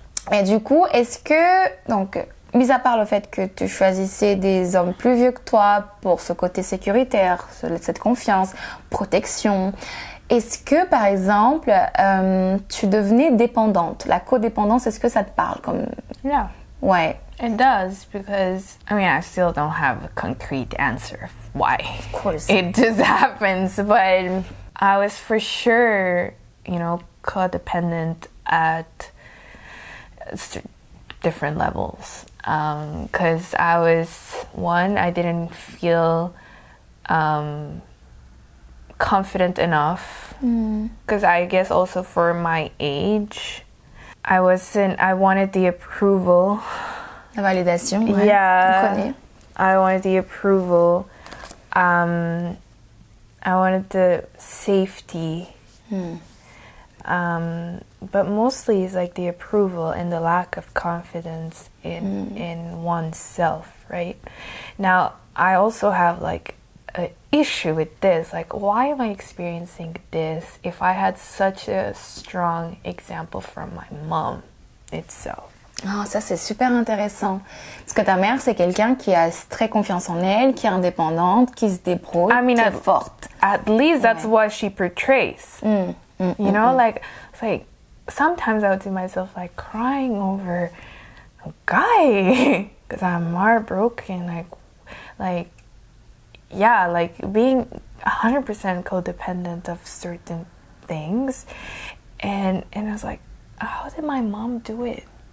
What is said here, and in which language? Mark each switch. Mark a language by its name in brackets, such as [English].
[French] Mais du coup, est-ce que, donc, mis à part le fait que tu choisissais des hommes plus vieux que toi pour ce côté sécuritaire, cette confiance, protection, est-ce que, par exemple, tu devenais dépendante? La codépendance, est-ce que ça te parle comme... [English] Yeah. [French] Ouais. [English] It does, because, I mean, I still don't have a concrete answer why of course it just happens, but I was for sure, you know, codependent at different levels, because I was, one, I didn't feel confident enough, because I guess also for my age, I wanted the approval, [French] la validation, ouais. [English] Yeah, I wanted the approval. I wanted the safety, but mostly it's like the approval and the lack of confidence in oneself, right? Now, I also have like an issue with this, like why am I experiencing this if I had such a strong example from my mom itself? [French] Oh, ça c'est super intéressant. Parce que ta mère c'est quelqu'un qui a très confiance en elle, qui est indépendante, qui se débrouille, qui est forte. [English] At least that's what she portrays. You know, like, it's like sometimes I would see myself like crying over a guy because I'm heartbroken. Like, yeah, like being 100% codependent of certain things, and I was like, how did my mom do it?